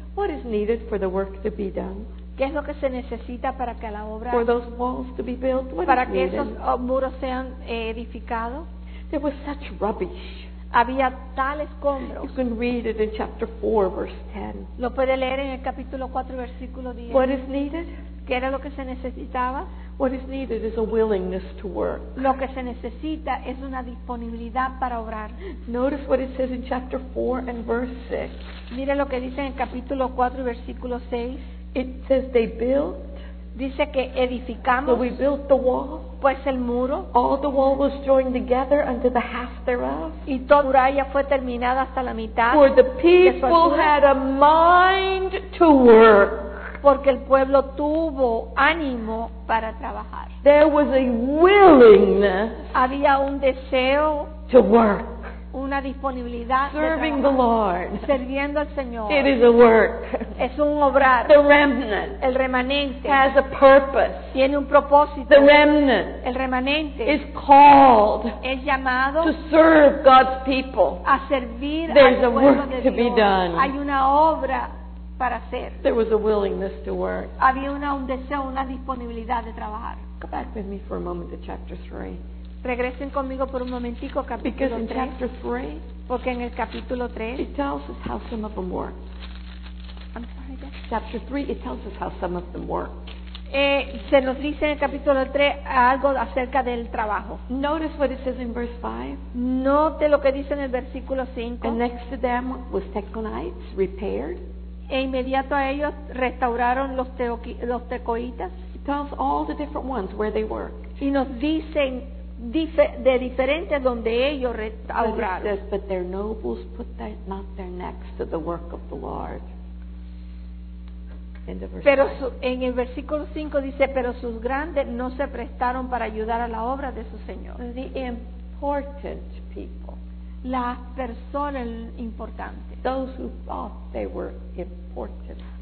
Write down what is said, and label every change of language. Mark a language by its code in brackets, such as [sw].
[en] What is needed for the work to be done? [es] ¿Qué es lo que se necesita para que la obra? [en] For those walls to be built. What [es] para [en] is [es] que [en] needed? [es] Esos muros sean edificados. [en] There was such rubbish. [es] Había tal escombro. [en] You can read it in chapter 4 verse 10. [es] Lo puede leer en el capítulo 4 versículo 10. [en] What is needed? [es] ¿Qué era lo que se necesitaba? [en] What is needed is a willingness to work. [es] Lo que se necesita es una disponibilidad para obrar. [en] Notice what it says in chapter 4 and verse 6. [es] Mire lo que dice en el capítulo 4 versículo 6. [en] It says they built. [es] Dice que edificamos. [en] So we built the wall. [es] Pues el muro. [en] All the wall was joined together unto the half thereof. [es] Y toda muralla fue terminada hasta la mitad. [en] For the people had a mind to work. [es] Porque el pueblo tuvo ánimo para trabajar. [en] There was a willingness. [es] Había un deseo. [en] To work. [es] Una disponibilidad. [en] Serving the Lord. [es] Serviendo al Señor. [en] It is a work. [es] Es un obrar. [en] The remnant. [es] El remanente. [en] Has a purpose. [es] Tiene un propósito. [en] The remnant. [es] El remanente. [en] Is called. [es] Es llamado. [en] To serve God's people. [es] A servir al pueblo de [en] Dios. There's a work to be done. [es] Hay una obra. Para hacer. [en] There was a willingness to work. [es] Había un deseo, una disponibilidad de trabajar. [en] Go back with me for a moment to chapter 3. [es] Regresen conmigo por un momentico a capítulo 3. [en] Because in chapter 3, [es] porque en el capítulo 3, [en] it tells us how some of them work. I'm sorry. Chapter 3, it tells us how some of them work. [es] Se nos dice en el capítulo 3 algo acerca del trabajo. [en] Notice what it says in verse 5. [es] Note lo que dice en el versículo 5. [en] And next to them was Tekoites repaired. [es] E inmediato a ellos restauraron los tecoitas. [en] It tells all the different ones where they worked. [es] Y nos dicen de diferentes donde ellos restauraron. [en] But, but their nobles put not their necks to the work of the Lord. [es] Pero en el versículo 5 dice, pero sus grandes no se prestaron para ayudar a la obra de su Señor. [en] The important people. [es] Las personas importantes. [en] Those who thought they were important.